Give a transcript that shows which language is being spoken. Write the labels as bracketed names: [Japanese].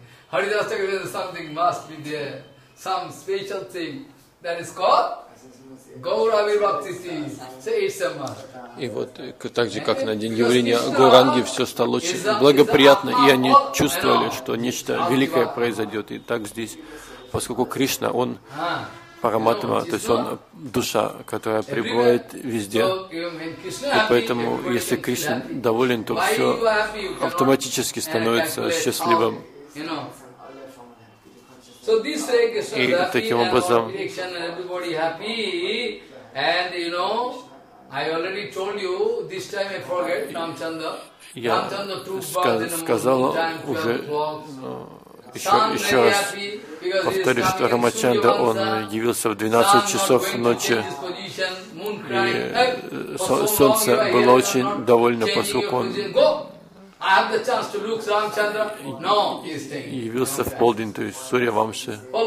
[English] Haridas Thakur, something must be there, some special thing that is called Gauravir Bhakti. Say it's a must. [Russian] И вот так же, как на день явления Гауранги, все стало очень благоприятно, и они чувствовали, что нечто великое произойдет. И так здесь, поскольку Кришна, он Параматма, то есть он душа, которая пребывает везде. И поэтому, если Кришна доволен, то все автоматически становится счастливым. [English] So this way, Krishna happy, and all direction, and everybody happy. And you know, I already told you this time. I forget Ramchandra. Ramchandra took bath in the morning time, 12 o'clock. [Russian] Еще раз повторю, что Рамачандра, он явился в 12 часов ночи, и солнце было очень довольно, поскольку он явился в полдень, то есть Сурья Вамши.